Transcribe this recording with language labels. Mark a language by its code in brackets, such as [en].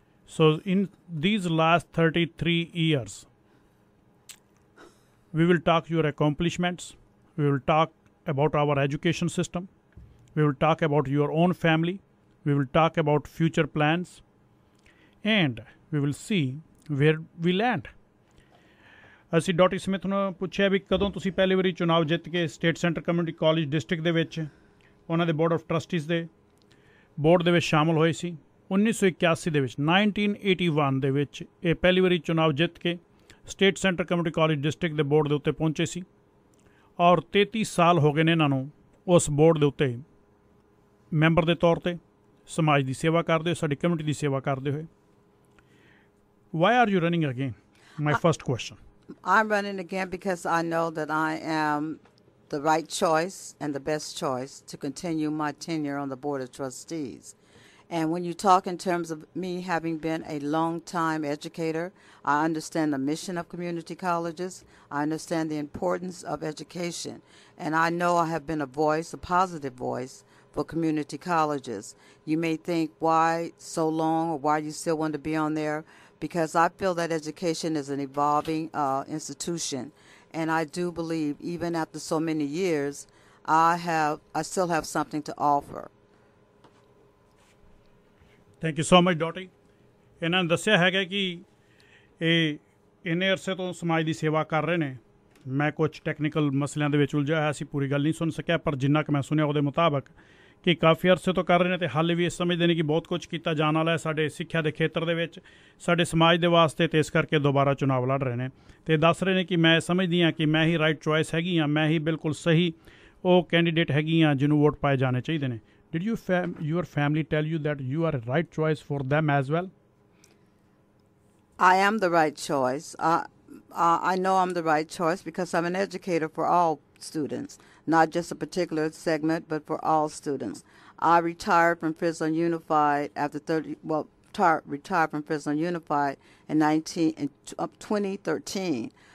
[en] So in these last 33 years, we will talk your accomplishments. We will talk about our education system. We will talk about your own family. We will talk about future plans. And we will see where we land. [pa] ਅਸੀਂ ਡੋਟੀ Smith ਨੂੰ ਪੁੱਛਿਆ ਵੀ ਕਦੋਂ ਤੁਸੀਂ ਪਹਿਲੀ ਵਾਰੀ ਚੁਣਾਵ ਜਿੱਤ ਕੇ state centre community college district ਦੇ ਵਿੱਚ ਉਹਨਾਂ ਦੇ ਬੋਰਡ ਆਫ ਟਰੱਸਟੀਜ਼ ਦੇ ਬੋਰਡ ਦੇ ਵਿੱਚ ਸ਼ਾਮਿਲ ਹੋਏ ਸੀ 1981 ਦੇ ਵਿੱਚ 1981 ਦੇ ਵਿੱਚ ਇਹ ਪਹਿਲੀ ਵਾਰੀ ਚੁਣਾਵ ਜਿੱਤ ਕੇ state centre community college district ਦੇ ਬੋਰਡ ਦੇ ਉੱਤੇ ਪਹੁੰਚੇ ਸੀ ਔਰ 33 ਸਾਲ ਹੋ ਗਏ ਨੇ ਇਹਨਾਂ ਨੂੰ ਉਸ ਬੋਰਡ ਦੇ ਉੱਤੇ ਮੈਂਬਰ ਦੇ ਤੌਰ 'ਤੇ ਸਮਾਜ ਦੀ ਸੇਵਾ ਕਰਦੇ ਹੋਏ ਸਾਡੀ ਕਮਿਊਨਿਟੀ ਦੀ ਸੇਵਾ ਕਰਦੇ ਹੋਏ [en] Why are you running again my first question I'm running again because I know that I am the right choice and the best choice to continue my tenure on the Board of Trustees. And when you talk in terms of me having been a long-time educator, I understand the mission of community colleges. I understand the importance of education. And I know I have been a voice, a positive voice, for community colleges. You may think, why so long or why you still want to be on there? Because I feel that education is an evolving institution. And I do believe, even after so many years, I still have something to offer. Thank you so much, Dottie. [pa] ਇਹਨਾਂ ਨੇ ਦੱਸਿਆ ਹੈਗਾ ਕਿ ਇਹ ਇੰਨੇ ਅਰਸੇ ਤੋਂ ਸਮਾਜ ਦੀ ਸੇਵਾ ਕਰ ਰਹੇ ਨੇ ਮੈਂ ਕੁਛ ਟੈਕਨੀਕਲ ਮਸਲਿਆਂ ਦੇ ਵਿੱਚ ਉਲਝਿਆ ਹੋਇਆ ਸੀ ਪੂਰੀ ਗੱਲ ਨਹੀਂ ਸੁਣ ਸਕਿਆ ਪਰ ਜਿੰਨਾ ਕੁ ਮੈਂ ਸੁਣਿਆ ਉਹਦੇ ਮੁਤਾਬਕ ਕਿ ਕਾਫੀ ਅਰਸੇ ਤੋਂ ਕਰ ਰਹੇ ਨੇ ਅਤੇ ਹਾਲੇ ਵੀ ਇਹ ਸਮਝਦੇ ਨੇ ਕਿ ਬਹੁਤ ਕੁਛ ਕੀਤਾ ਜਾਣ ਵਾਲਾ ਸਾਡੇ ਸਿੱਖਿਆ ਦੇ ਖੇਤਰ ਦੇ ਵਿੱਚ ਸਾਡੇ ਸਮਾਜ ਦੇ ਵਾਸਤੇ ਅਤੇ ਇਸ ਕਰਕੇ ਦੁਬਾਰਾ ਚੁਣਾਵ ਲੜ ਰਹੇ ਨੇ ਅਤੇ ਦੱਸ ਰਹੇ ਨੇ ਕਿ ਮੈਂ ਸਮਝਦੀ ਹਾਂ ਕਿ ਮੈਂ ਹੀ ਰਾਈਟ ਚੋਇਸ ਹੈਗੀ ਹਾਂ ਮੈਂ ਹੀ ਬਿਲਕੁਲ ਸਹੀ ਉਹ ਕੈਂਡੀਡੇਟ ਹੈਗੀ ਹਾਂ ਜਿਹਨੂੰ ਵੋਟ ਪਾਏ ਜਾਣੇ ਚਾਹੀਦੇ ਨੇ [en] Did you your family tell you that you are right choice for them as well I am the right choice I know I'm the right choice because I'm an educator for all students, not just a particular segment, but for all students. I retired from Fresno Unified after retired from Fresno Unified in 2013.